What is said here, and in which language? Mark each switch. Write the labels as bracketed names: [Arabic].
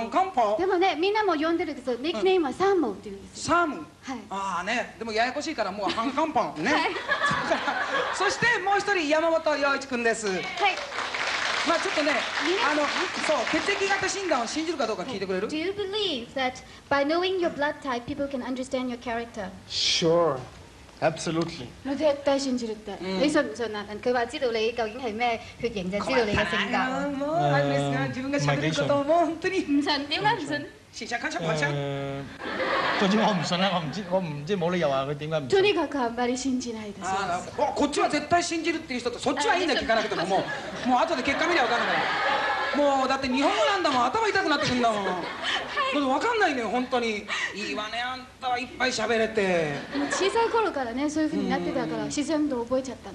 [Japanese] 香港ポーでもね、みんなも呼んでるけど、ニックネームはサンモーって言うんですよ。サンモー、はい、ああね、でもややこしいからもうハンカンポーね。、はい、そしてもう一人、山本陽一くんです。はい、まあちょっとね、あの、そう、血液型診断を信じるかどうか聞いてくれる？ [English] Do you believe that by knowing your blood type, people can understand your character? Sure. Absolutely. [Chinese] 我絕對信住你的。你信不信啊？佢話知道你究竟係咩血型就知道你嘅性格。我唔信啊！自分嘅性格都唔信。點解唔信？試下講出講出。總之我唔信啦，我唔知冇理由話佢點解唔信。 [Japanese] とにかくあんまり信じないです。こっちは絶対信じるっていう人と、そっちはいいんだ聞かなくても、もう後で結果見りゃ分かんないから。もうだって日本語なんだもん、頭痛くなってくんだもん。はい、分かんないのよ、本当に。いいわね、あんたはいっぱい喋れて。小さい頃からね、そういう風になってたから自然と覚えちゃったの。